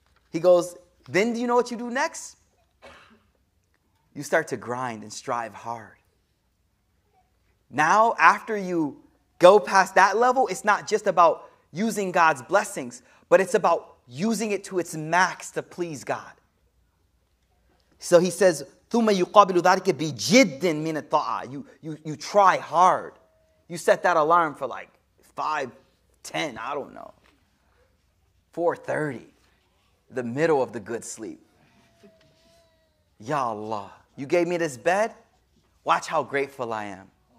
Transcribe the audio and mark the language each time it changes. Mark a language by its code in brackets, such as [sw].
[en] He goes, then do you know what you do next? You start to grind and strive hard. Now, after you go past that level, it's not just about using God's blessings, but it's about using it to its max to please God. So he says, [ar] ثم يقابل ذلك بجد من الطاعة. [en] You try hard. You set that alarm for like 5:10. I don't know. 4:30. The middle of the good sleep. Ya Allah, you gave me this bed. Watch how grateful I am.